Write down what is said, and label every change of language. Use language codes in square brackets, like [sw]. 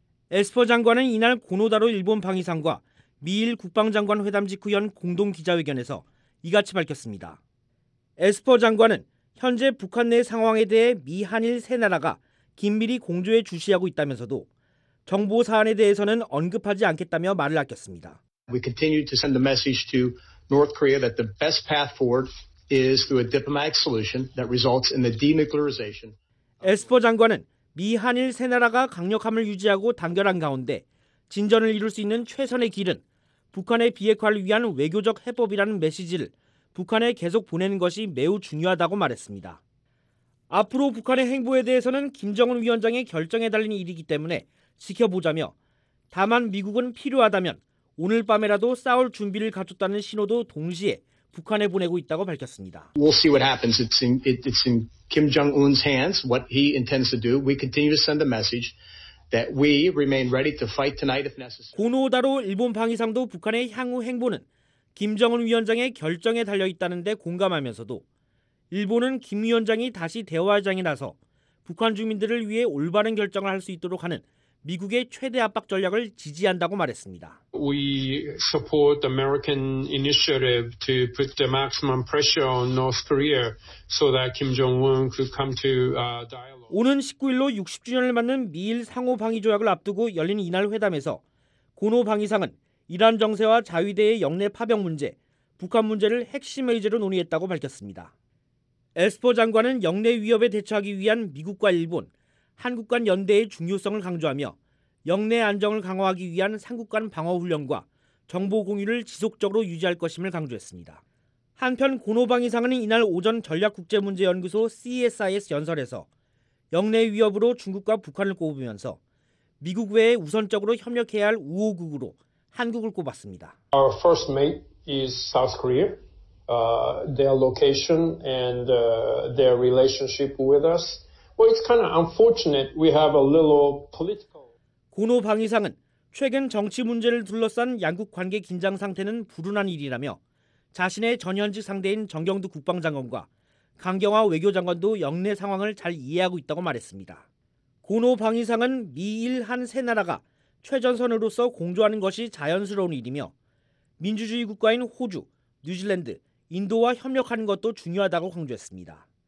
[ko] 에스퍼 장관은 이날 고노다로 일본 방위상과 미일 국방장관 회담 직후 연 공동 기자회견에서 이같이 밝혔습니다. 에스퍼 장관은 현재 북한 내 상황에 대해 미, 한일 세 나라가 긴밀히 공조해 주시하고 있다면서도 정보 사안에 대해서는 언급하지 않겠다며 말을 아꼈습니다. [en] We continue to send the message to North Korea that the best path forward is through a diplomatic solution that results in the denuclearization. [ko] 에스퍼 장관은 미, 한일 세 나라가 강력함을 유지하고 단결한 가운데 진전을 이룰 수 있는 최선의 길은 북한의 비핵화를 위한 외교적 해법이라는 메시지를 북한에 계속 보내는 것이 매우 중요하다고 말했습니다. 앞으로 북한의 행보에 대해서는 김정은 위원장의 결정에 달린 일이기 때문에 지켜보자며 다만 미국은 필요하다면 오늘 밤에라도 싸울 준비를 갖췄다는 신호도 동시에 북한에 보내고 있다고 밝혔습니다. [en] We'll see what happens. It's in Kim Jong-un's hands what he intends to do. We continue to send the message that we remain ready to fight tonight if necessary. [ko] 고노다로 일본 방위상도 북한의 향후 행보는 김정은 위원장의 결정에 달려있다는 데 공감하면서도 일본은 김 위원장이 다시 대화장에 나서 북한 주민들을 위해 올바른 결정을 할 수 있도록 하는 미국의 최대 압박 전략을 지지한다고 말했습니다. [en] We support American initiative to put the maximum pressure on North Korea so that Kim Jong-un could come to dialogue. [ko] 오는 19일로 60주년을 맞는 미일 상호 방위 조약을 앞두고 열린 이날 회담에서 고노 방위상은 이란 정세와 자위대의 영내 파병 문제, 북한 문제를 핵심 의제로 논의했다고 밝혔습니다. 에스퍼 장관은 영내 위협에 대처하기 위한 미국과 일본, 한국 간 연대의 중요성을 강조하며 영내 안정을 강화하기 위한 3국 간 방어 훈련과 정보 공유를 지속적으로 유지할 것임을 강조했습니다. 한편 고노 방위상은 이날 오전 전략국제문제연구소 CSIS 연설에서 영내 위협으로 중국과 북한을 꼽으면서 미국 외에 우선적으로 협력해야 할 우호국으로 한국을 꼽았습니다. [en] Our first mate is South Korea. their location and their relationship with us. Well, it's kind of unfortunate we have a little political. [ko] 고노 방 이상은 최근 정치 문제를 둘러싼 양국 관계 긴장 상태는 불운한 일이라며 자신의 전현직 상대인 정경두 국방장관과 강경화 외교장관도 영내 상황을 잘 이해하고 있다고 말했습니다. 고노 방 이상은 미일 한 세 나라가 최전선으로서 공조하는 것이 자연스러운 일이며 민주주의 국가인 호주, 뉴질랜드, 인도와 협력하는 것도 중요하다고 강조했습니다.